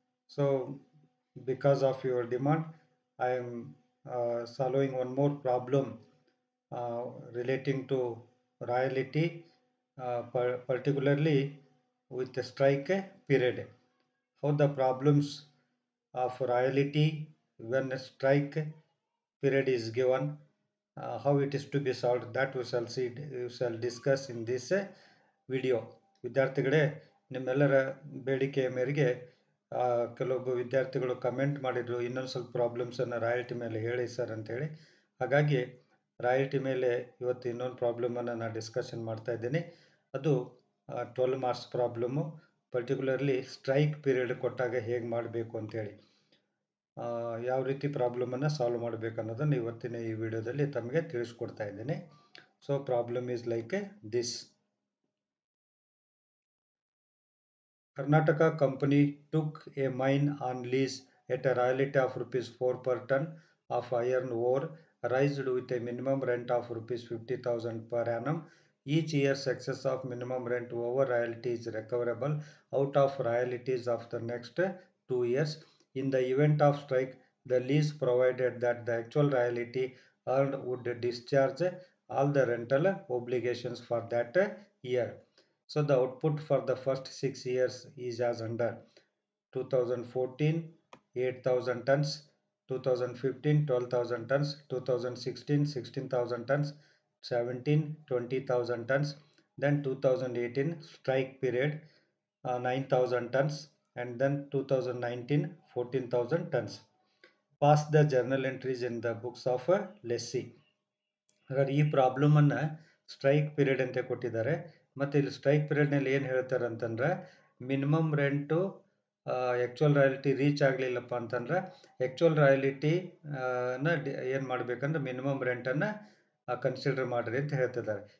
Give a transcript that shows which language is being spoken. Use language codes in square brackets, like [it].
[en] So because of your demand, I am solving one more problem relating to royalty, particularly with the strike period. How the problems of royalty when a strike period is given, how it is to be solved, that we shall see, we shall discuss in this video. [kn] ವಿದ್ಯಾರ್ಥಿಗಳೇ, ನಿಮ್ಮೆಲ್ಲರ ಬೇಡಿಕೆಯ ಮೇರೆಗೆ ಕೆಲವೊಬ್ಬ ವಿದ್ಯಾರ್ಥಿಗಳು comment ಮಾಡಿದ್ರು, ಇನ್ನೊಂದು ಸ್ವಲ್ಪ problems ಅನ್ನು royalty ಮೇಲೆ ಹೇಳಿ ಸರ್ ಅಂತ ಹೇಳಿ. ಹಾಗಾಗಿ ರಾಯಲ್ಟಿ ಮೇಲೆ ಇವತ್ತು ಇನ್ನೊಂದು ಪ್ರಾಬ್ಲಮ್ ಅನ್ನು ನಾನು ಡಿಸ್ಕಷನ್ ಮಾಡ್ತಾ ಇದ್ದೀನಿ. ಅದು 12 marks problem, particularly strike period ಕೊಟ್ಟಾಗ ಹೇಗೆ ಮಾಡಬೇಕು ಅಂತೇಳಿ, ಯಾವ ರೀತಿ ಪ್ರಾಬ್ಲಮನ್ನು ಸಾಲ್ವ್ ಮಾಡಬೇಕು ಅನ್ನೋದನ್ನು ಇವತ್ತಿನ ಈ ವಿಡಿಯೋದಲ್ಲಿ ತಮಗೆ ತಿಳಿಸ್ಕೊಡ್ತಾ ಇದ್ದೀನಿ. [en] So problem is like this. Karnataka company took a mine on lease at a royalty of ₹4 per ton of iron ore raised with minimum rent of ₹50,000 per annum. Each year excess of minimum rent over royalty is recoverable out of royalties of the next 2 years. In the event of strike the lease provided that the actual royalty earned would discharge all the rental obligations for that year. So the output for the first 6 years is as under: 2014 8,000 tons, 2015 12,000 tons, 2016 16,000 tons, 17 20,000 tons, then 2018 strike period 9,000 tons, and then 2019 14,000 tons. Pass the journal entries in the books of lessee. [kn] ಹಾಗಾದ್ರೆ ಈ ಪ್ರಾಬ್ಲಮನ್ನು strike period ಅಂತ ಕೊಟ್ಟಿದ್ದಾರೆ. ಮತ್ತು ಇಲ್ಲಿ strike ಪೀರಿಯಡ್ನಲ್ಲಿ ಏನು ಹೇಳ್ತಾರೆ ಅಂತಂದರೆ, minimum rent actual royalty reach ಆಗಲಿಲ್ಲಪ್ಪ ಅಂತಂದರೆ, ಆ್ಯಕ್ಚುಯಲ್ ರಾಯಲಿಟಿನ ಏನು ಮಾಡಬೇಕಂದ್ರೆ ಮಿನಿಮಮ್ ರೆಂಟನ್ನು ಕನ್ಸಿಡರ್ ಮಾಡಿರಿ ಅಂತ ಹೇಳ್ತಿದ್ದಾರೆ.